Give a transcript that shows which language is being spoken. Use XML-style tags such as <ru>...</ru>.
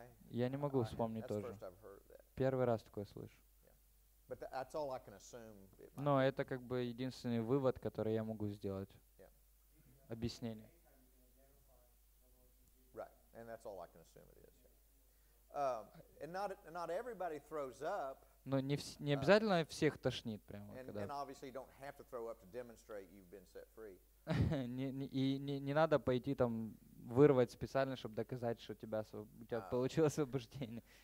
<ru>Я не могу вспомнить тоже. Первый раз такое слышу.</ru> <en>But that's all I can assume.</en> <ru>Но это как бы единственный вывод, который я могу сделать. Объяснение.</ru> <en>Right. And that's all I can assume it is. And not everybody throws up.</en> <ru>Но не обязательно всех тошнит прямо когда.</ru> <en>And obviously you don't have to throw up to demonstrate you've been set free.</en> <ru>Не надо пойти там вырвать специально, чтобы доказать, что у тебя получилось освобождение.</ru>